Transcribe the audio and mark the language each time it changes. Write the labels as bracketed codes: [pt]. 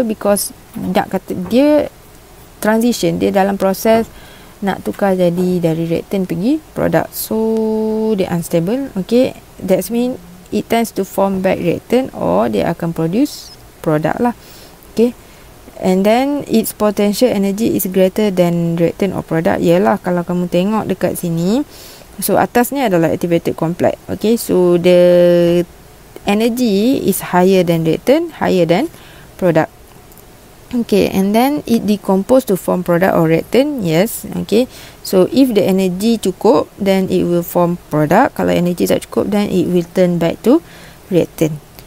[ms] Because nak kata dia transition, dia dalam proses nak tukar jadi dari reactant pergi product. [en] So dia unstable. Okay, that's mean it tends to form back reactant or [ms] dia akan [en] produce product lah. Okay, and then its potential energy is greater than reactant or product. [ms] Yelah, kalau kamu tengok dekat sini, so atas ni adalah activated complex. [en] Okay, so the energy is higher than reactant, higher than product. Okay, and then it decompose to form product or reactant. Yes, okay. So if the energy cukup, then it will form product. [ms] Kalau energy tak cukup, [en] then it will turn back to reactant.